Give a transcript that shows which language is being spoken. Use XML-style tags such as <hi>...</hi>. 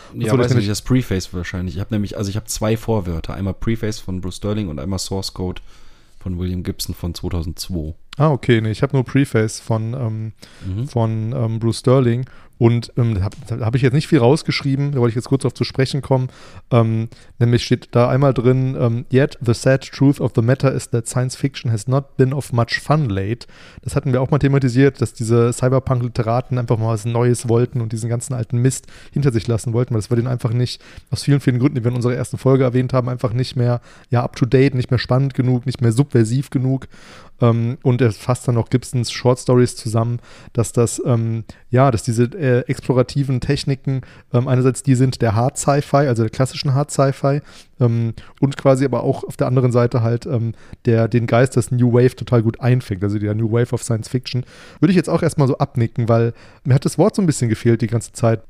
<de>Das ja, weiß ich nicht, das Preface wahrscheinlich. Ich habe zwei Vorwörter. Einmal Preface von Bruce Sterling und einmal Source Code von William Gibson von 2002. Ah, okay. Nee, ich habe nur Preface von Bruce Sterling. Und da hab ich jetzt nicht viel rausgeschrieben, da wollte ich jetzt kurz auf zu sprechen kommen. Nämlich steht da einmal drin,</de> <en>yet the sad truth of the matter is that science fiction has not been of much fun late.</en> <de>Das hatten wir auch mal thematisiert, dass diese Cyberpunk-Literaten einfach mal was Neues wollten und diesen ganzen alten Mist hinter sich lassen wollten, weil das war denen einfach nicht, aus vielen, vielen Gründen, die wir in unserer ersten Folge erwähnt haben, einfach nicht mehr up-to-date, nicht mehr spannend genug, nicht mehr subversiv genug. Und er fasst dann auch Gibsons Short Stories zusammen, dass das dass diese explorativen Techniken einerseits die sind der Hard Sci-Fi, also der klassischen Hard Sci-Fi, und quasi aber auch auf der anderen Seite halt den Geist des New Wave total gut einfängt, also der New Wave of Science Fiction, würde ich jetzt auch erstmal so abnicken, weil mir hat das Wort so ein bisschen gefehlt die ganze Zeit.</de>